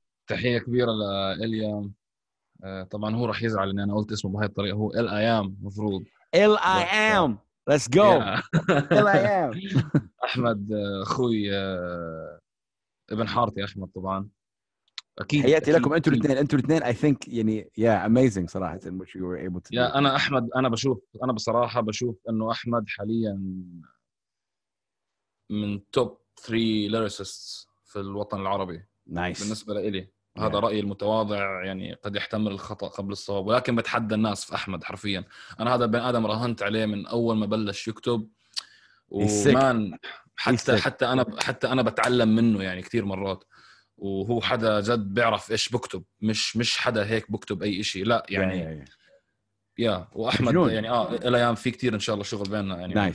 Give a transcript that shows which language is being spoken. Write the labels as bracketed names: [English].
[Arabic] تحية كبيرة لإليام طبعًا هو رح يزعل إن أنا قلت اسمه بهاي الطريقة هو إل آي آم مفروض [English] إل I am Let's go. Here I am. [Arabic] أحمد أخوي ابن حارتي أحمد طبعاً. أكيد. حياتي لكم أنتوا الاثنين. أنتوا الاثنين. [English] I think [Arabic] يعني [English] yeah amazing [Arabic] صراحة [English] in which you were able to. [Arabic] Yeah أنا أحمد أنا بشوف أنا بصراحة بشوف إنه أحمد حالياً من [English] top three lyricists [Arabic] في الوطن العربي. [English] Nice. [Arabic] بالنسبة لإلي. هذا رأيي المتواضع يعني قد يحتمل الخطأ قبل الصواب ولكن بتحدى الناس في أحمد حرفيا أنا هذا بن آدم رهنت عليه من أول ما بلش يكتب ومان حتى أنا بتعلم منه يعني كتير مرات وهو حدا جد بيعرف إيش بكتب مش حدا هيك بكتب أي إشي لا يعني يا وأحمد يعني الأيام في كتير إن شاء الله شغل بيننا يعني